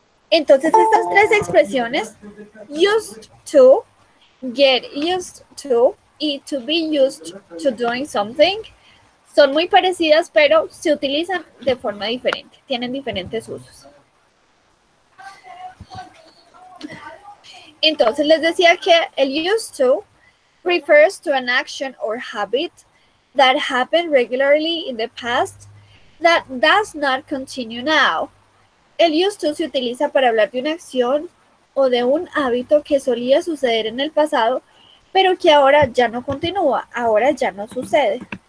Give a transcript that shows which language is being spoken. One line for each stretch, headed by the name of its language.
Spanish: Entonces, estas tres expresiones, used to, get used to, y to be used to doing something, son muy parecidas, pero se utilizan de forma diferente. Tienen diferentes usos. Entonces, les decía que el
English: used to refers to an action or habit that happened regularly in the past that does not continue now.
Spanish: El used to se utiliza para hablar de una acción o de un hábito que solía suceder en el pasado, pero que ahora ya no continúa, ahora ya no sucede.